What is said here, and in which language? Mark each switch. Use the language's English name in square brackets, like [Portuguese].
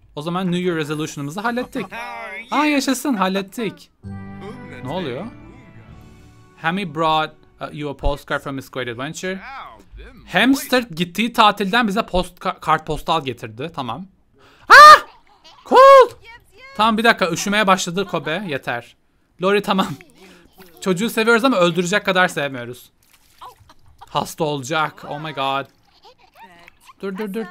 [Turkish] O zaman New Year Resolution'ımızı hallettik. Aa, yaşasın. Hallettik. Ne oluyor? [English] Hammy brought you a postcard from his great adventure. [Turkish] Hamster gittiği tatilden bize postal getirdi. Tamam. Ah! Cold! Tamam, bir dakika. Üşümeye başladı Kobe. Yeter. Lori, tamam. Çocuğu seviyoruz ama öldürecek kadar sevmiyoruz. Hasta olacak. [English] Oh my god. [Turkish] Dur.